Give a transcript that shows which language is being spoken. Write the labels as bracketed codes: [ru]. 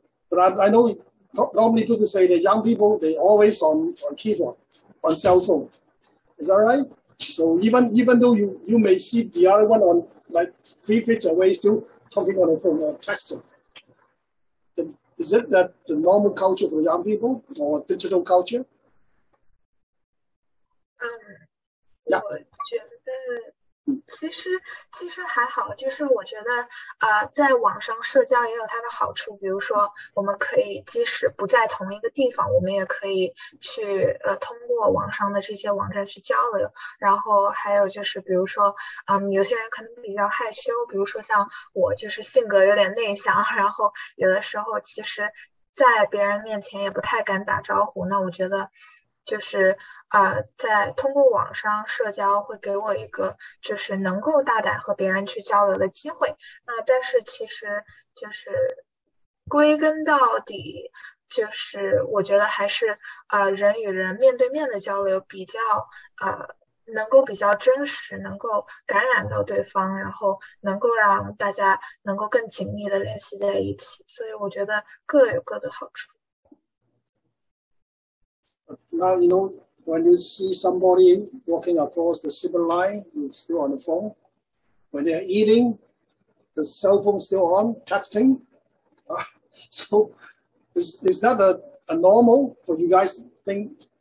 [en] But I know normally people say that young people, they always on keyboard, on cell phone. Is that right? So even though you may see the other one on like 3 feet away, still talking on the phone or texting. Is it that the normal culture for young people or digital culture? [zh] 我觉得其实还好，就是我觉得在网上社交也有它的好处，比如说我们可以即使不在同一个地方，我们也可以去通过网上的这些网站去交流。然后还有就是比如说有些人可能比较害羞，比如说像我就是性格有点内向，然后有的时候其实在别人面前也不太敢打招呼，那我觉得就是在通过网上社交会给我一个就是能够大胆和别人去交流的机会。那但是其实就是归根到底，就是我觉得还是人与人面对面的交流比较能够比较真实，能够感染到对方，然后能够让大家能够更紧密的联系在一起。所以我觉得各有各的好处。 [en] Now, you know, when you see somebody walking across the silver line, you're still on the phone. When they're eating, the cell phone's still on, texting. So is that a normal for you guys to think?